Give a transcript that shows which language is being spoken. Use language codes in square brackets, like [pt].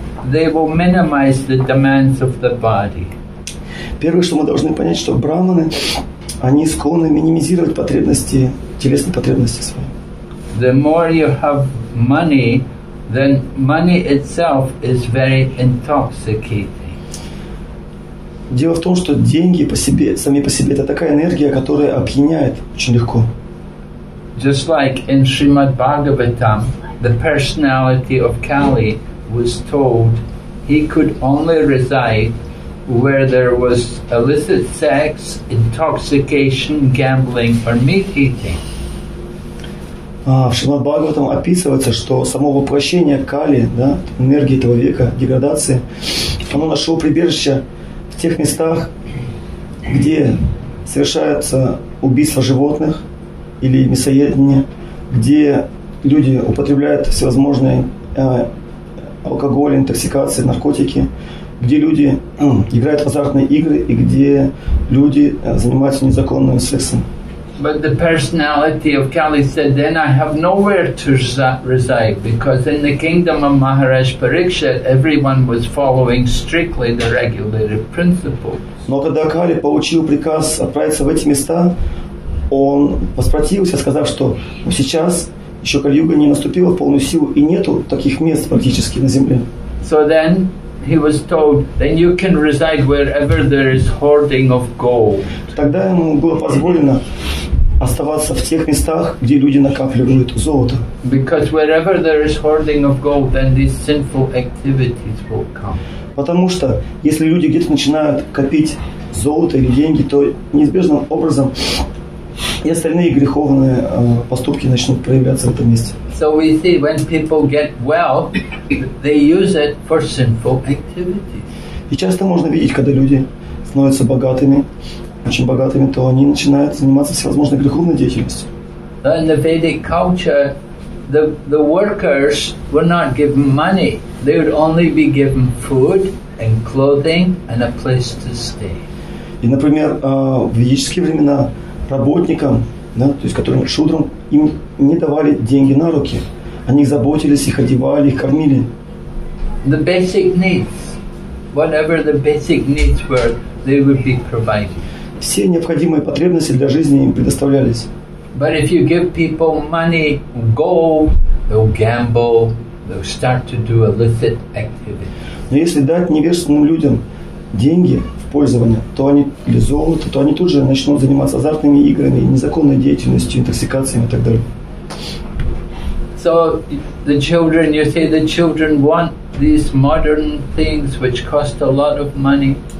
[en] They will minimize the demands of the body. [ru] Первое, что мы должны понять, что брахманы, они склонны минимизировать потребности, телесные потребности свои. [en] The more you have money, then money itself is very intoxicating. [ru] Дело в том, что деньги по себе, сами по себе, это такая энергия, которая опьяняет очень легко. [en] Just like in Srimad Bhagavatam, the personality of Kali was told he could only reside where there was illicit sex, intoxication, gambling, or meat eating. [ru] В Шримад Бхагаватам описывается, что само воплощение Кали, да, энергии этого века, деградации, оно нашло прибежище в тех местах, где совершаются убийства животных или мясоедение, где люди употребляют всевозможные алкоголь, интоксикация, наркотики, где люди играют в азартные игры и где люди занимаются незаконным сексом. [en] But the personality of Kali said, then I have nowhere to reside, because in the kingdom of Maharaj Parikshit everyone was following strictly the regulated principles. [ru] Но когда Кали получил приказ отправиться в эти места, он воспротивился, сказав, что сейчас еще Кали-юга не наступила в полную силу, и нету таких мест практически на земле. [en] So then he was told, then you can reside wherever there is hoarding of gold. [ru] Тогда ему было позволено оставаться в тех местах, где люди накапливают золото. [en] Because wherever there is hoarding of gold, then these sinful activities will come. [ru] Потому что если люди где-то начинают копить золото или деньги, то неизбежным образом и остальные греховные поступки начнут проявляться в этом месте. [en] So we see when people get wealth, they use it for sinful activities. [ru] И часто можно видеть, когда люди становятся богатыми, очень богатыми, то они начинают заниматься всевозможной греховной деятельностью. [en] In the Vedic culture, the workers were not given money. They would only be given food and clothing and a place to stay. [ru] И, например, в ведические времена работникам, да, то есть которым шудрам, им не давали деньги на руки. Они их заботились, их одевали, их кормили. [en] The basic needs, whatever the basic needs were, they would be provided. [ru] Все необходимые потребности для жизни им предоставлялись. [en] But if you give people money, gold, they'll gamble, they'll start to do illicit activity. [ru] Но если дать невежественным людям деньги в пользование, то они, или золото, то они тут же начнут заниматься азартными играми, незаконной деятельностью, интоксикациями и так далее. [en] So the children, you say the children want these modern things which cost a lot of money.